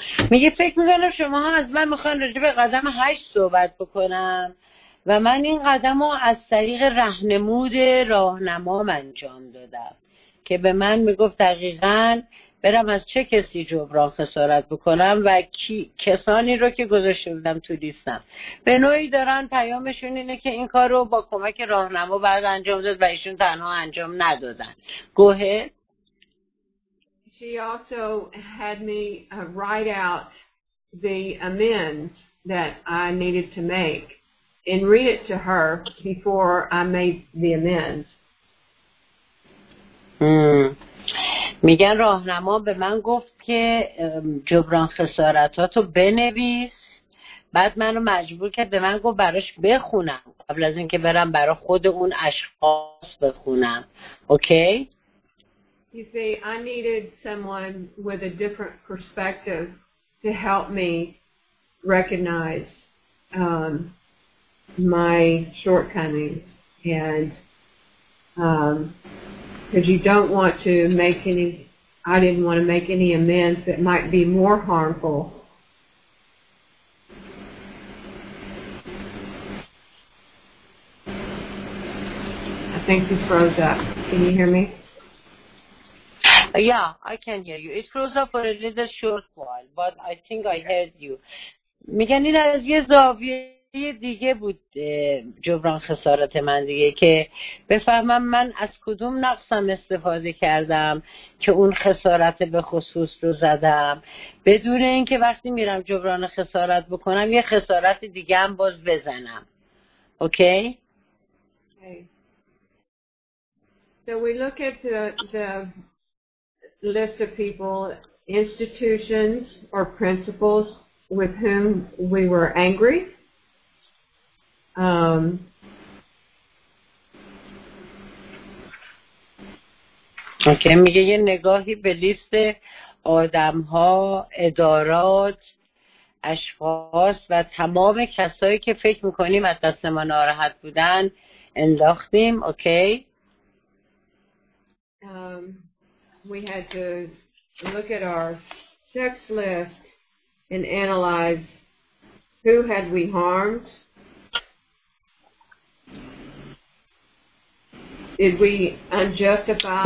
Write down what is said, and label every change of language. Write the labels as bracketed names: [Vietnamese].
[Persian] میگه فکر میکنم شما هم از من میخواین راجع به قدم 8 صحبت بکنم و من این قدم رو از طریق رهنمود راهنمام انجام دادم که به من میگفت دقیقا برم از چه کسی جبران خسارت بکنم و کسانی رو که گذاشته بودم تو لیستم به نوعی دارن پیامشون اینه که این کار رو با کمک راهنما بعد انجام داد و ایشون تنها انجام ندادن. گوهه [English] She also had me write out the amends that I needed to make and read it to her before I made the amends. [Persian] میگن راهنما به من گفت که جبران خساراتو بنویس بعد منو مجبور کرد به من گفت براش بخونم قبل از اینکه برم برای خود اون اشخاص بخونم. اوکی؟ [English] You see, I needed someone with a different perspective to help me recognize my shortcomings, and because you don't want to make any, I didn't want to make any amends that might be more harmful. I think you froze up. Can you hear me? Yeah, I can hear you. It froze up for a little short while, but I think I heard you. [Persian] میگن این از یه زاویه دیگه بود جبران خسارت من دیگه که بفهمم من از کدوم نقصم استفاده کردم که اون خسارت به خصوص رو زدم، بدون اینکه وقتی میرم جبران خسارت بکنم یه خسارت دیگه هم باز بزنم. اوکی؟ [English] So we look at the list of people, institutions, or principles with whom we were angry. [Persian] Okay, میگه یه نگاهی به لیست آدم‌ها، ادارات، اشخاص و تمام کسایی که فکر می‌کنیم از دست ما ناراحت بودن انداختیم. اوکی؟ [English] We had to look at our sex list and analyze who had we harmed. Did we unjustify?